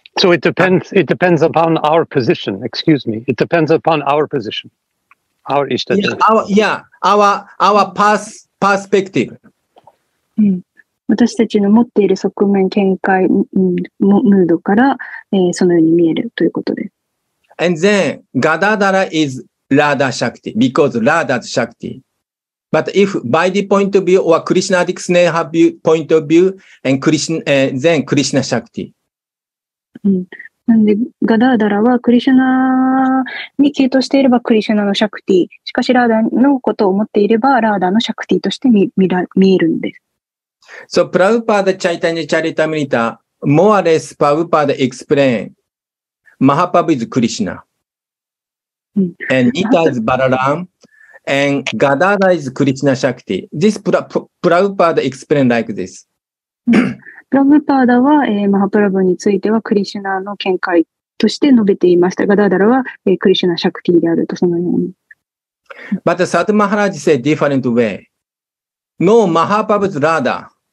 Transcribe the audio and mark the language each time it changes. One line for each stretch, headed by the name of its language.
English: So it depends upon our position. Excuse me. It depends upon our position. Our ishta. Our perspective.
Japanese: 私たちの持っている側面、見解、ムードから、そのように見えるということです。
English: And then, Gadadara is Radha Shakti, because Radha's Shakti. But if by the point of view, or Krishna addicts Sneha point of view, and Krishna, then Krishna Shakti.
Japanese: うん、なんでガダーダラはクリシュナに傾倒していればクリシュナのシャクティ、しかしラーダのことを持っていればラーダのシャクティとして 見えるんです。
English: So, Prabhupada Chaitanya Charitamrita more or less Prabhupada explain Mahaprabhu is Krishna、うん、 and Nitta is Balaram and Gadadara is Krishna Shakti. This Prabhupada explain like this.
Japanese: プラブパーダは、マハプラブについてはクリシュナの見解として述べていましたが、ガダダラは、クリシュナシャクティであるとそのように。
English: But Sadhu Maharaj said different way. No Mahaprabhu's Radha.